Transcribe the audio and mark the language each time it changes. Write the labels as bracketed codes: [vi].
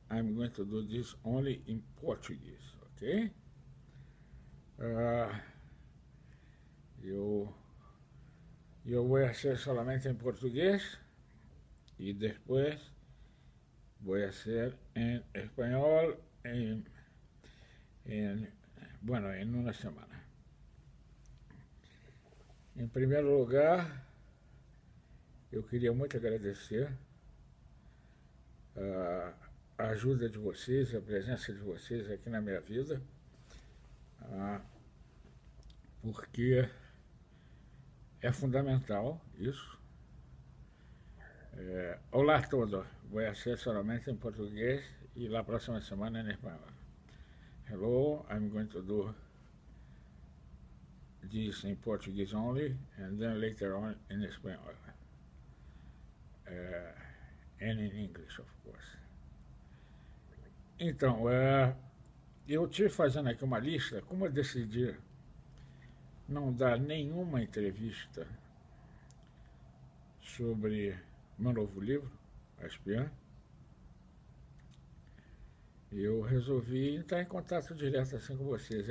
[en] I'm going to do this only in Portuguese, okay? [pt] Eu vou fazer solamente em português e depois vou fazer em espanhol em uma semana. Em primeiro lugar, eu queria muito agradecer a ajuda de vocês, a presença de vocês aqui na minha vida, porque é fundamental isso. Olá a todos, vou ser somente em português e na próxima semana em espanhol. [en] Hello, I'm going to do this in Portuguese only, and then later on in [pt] espanhol. [en] And in English, of course. [pt] Então, eu estive fazendo aqui uma lista. Como eu decidi não dar nenhuma entrevista sobre meu novo livro, Aspian, eu resolvi entrar em contato direto assim com vocês.